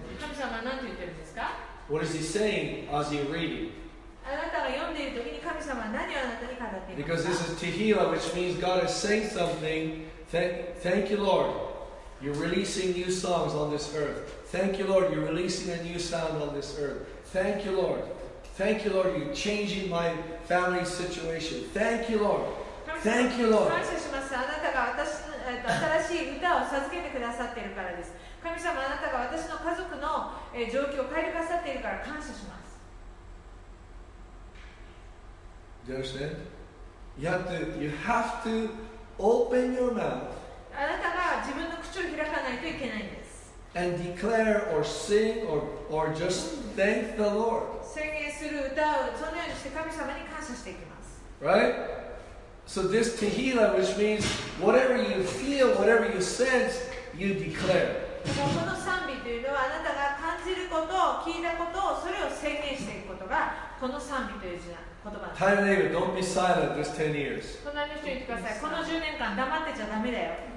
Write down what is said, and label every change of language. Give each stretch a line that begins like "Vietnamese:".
Japanese: 神様は何て言ってるんですか?
English: What is He saying as you read?
Japanese: あなたが読んでいるときに神様は何をあなたに語っているか?
English: Because this is Tehillah, which means God is saying something. Thank you, Lord. You're releasing new songs on this earth. Thank you, Lord. You're releasing a new sound on this earth. Thank you, Lord. Thank you, Lord. You're changing my family situation. Thank you, Lord. Thank you, Lord.
Japanese: 感謝します。あなたが私の新しい歌を授けてくださっているからです。神様、あなたが私の家族の状況を変えてくださっているから感謝します。
English: Do you understand? You have to open your mouth.
Japanese: あなたが自分の口を開かないといけないんです。
English: And declare or sing or just thank the Lord.
Japanese: 宣言する歌をそのようにして神様に感謝していきます。
English: Right? So this Tehillah, which means whatever you feel, whatever you sense, you declare.
Japanese: この賛美というのはあなたが感じること、聞いたこと、それを宣言していくことがこの賛美という言葉
English: です。Tyler David, don't be silent this 10 years.
Japanese: この10年間黙ってちゃダメだよ。